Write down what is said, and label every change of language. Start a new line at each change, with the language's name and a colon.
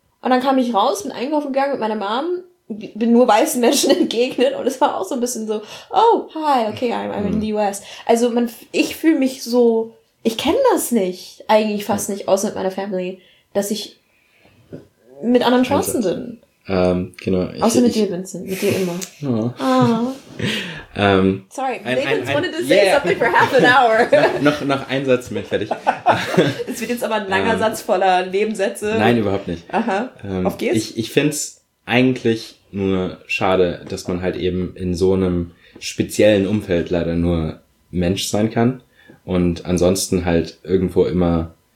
German: Und dann kam ich raus, bin einkaufen gegangen mit meiner Mom, bin nur weißen Menschen entgegnet. Und es war auch so ein bisschen so,
English: oh, hi, okay, I'm in the US.
German: Also ich fühle mich so, ich kenne das nicht, eigentlich fast nicht, außer mit meiner Family, dass ich mit anderen Chancen sind. Genau. Außer mit dir, Vincent. Mit dir immer.
English: Sorry, they just wanted to say something for half an hour.
German: noch ein Satz, bin fertig. Das wird jetzt aber ein langer Satz voller Nebensätze. Nein, überhaupt nicht. Aha. Auf geht's. Ich finde es eigentlich nur schade, dass man halt eben in so einem speziellen Umfeld leider nur Mensch sein kann und ansonsten halt irgendwo immer